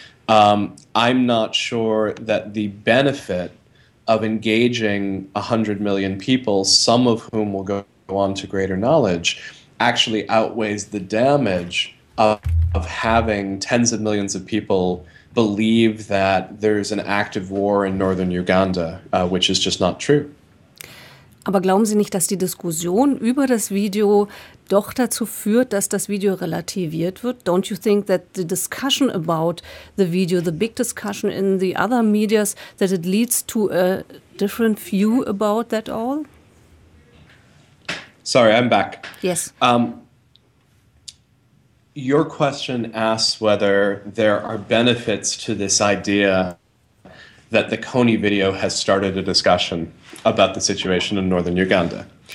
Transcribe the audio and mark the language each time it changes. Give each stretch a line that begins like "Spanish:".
English: I'm not sure that the benefit of engaging 100 million people, some of whom will go on to greater knowledge, actually outweighs the damage of having tens of millions of people believe that there's an active war in northern Uganda, which is just not true.
German: Aber glauben Sie nicht, dass die Diskussion über das Video doch dazu führt, dass das Video relativiert wird?
English: Don't you think that the discussion about the video, the big discussion in the other medias, that it leads to a different view about that all? Sorry, I'm back. Yes. Your question asks whether there are benefits to this idea that the Kony video has started a discussion about the situation in northern Uganda.